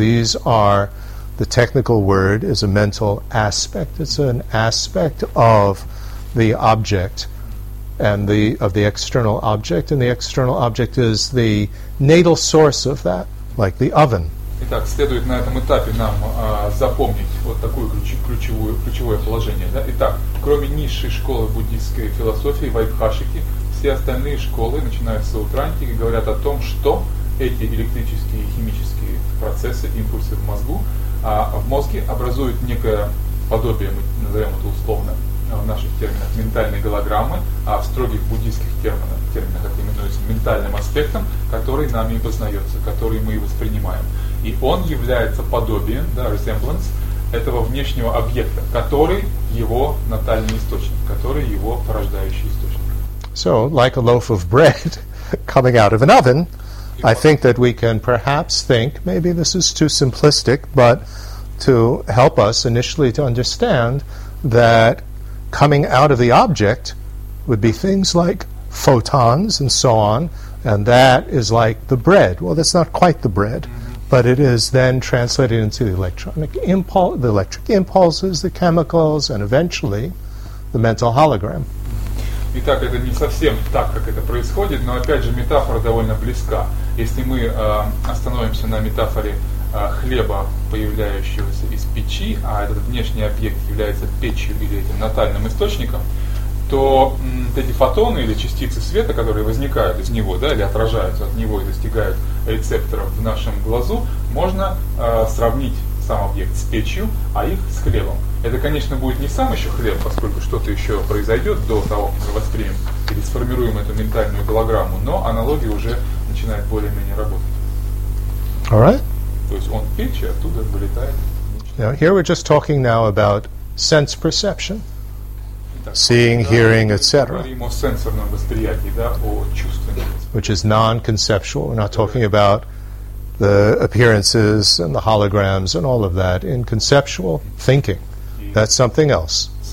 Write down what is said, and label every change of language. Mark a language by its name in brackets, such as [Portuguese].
[English] These are, the technical word is a mental aspect. It's an aspect of the object and of the external object, and the external object is the natal source of that, like the oven. [Russian] Итак, следует на этом этапе нам запомнить вот такое ключевое положение. Да? Итак, кроме низшей школы буддийской философии, Вайбхашики, все остальные школы, начиная с Саутрантики, говорят о том, что эти электрические и химические процессы, импульсы в мозгу, в мозге образуют некое подобие, мы назовем это условно, в наших терминах ментальной голограммы, а в строгих буддийских терминах это именуется ментальным аспектом, который нами и познается, который мы и воспринимаем. И он является подобием, да, resemblance, этого внешнего объекта, который его натальный источник, который его порождающий источник. [English] So, like a loaf of bread coming out of an oven, I think that we can perhaps think, maybe this is too simplistic, but to help us initially to understand that coming out of the object would be things like photons and so on, and that is like the bread. Well, that's not quite the bread, but it is then translated into the electric impulses, the chemicals, and eventually the mental hologram. [Russian] Итак, это не совсем так, как это происходит, но опять же метафора довольно близка. Если мы остановимся на метафоре хлеба, появляющегося из печи, а этот внешний объект является печью или этим натальным источником, то эти фотоны или частицы света, которые возникают из него, да, или отражаются от него и достигают рецепторов в нашем глазу, можно сравнить сам объект с печью, а их с хлебом. Это, конечно, будет не сам еще хлеб, поскольку что-то еще произойдет до того, как мы воспримем или сформируем эту ментальную голограмму, но аналогия уже начинает более-менее работать. [English] All right? [Russian] То есть он печь, оттуда вылетает. [English] Now, here we're just talking now about sense perception. Seeing, hearing, etc. Which is non-conceptual. We're not talking about the appearances and the holograms and all of that in conceptual thinking. That's something else.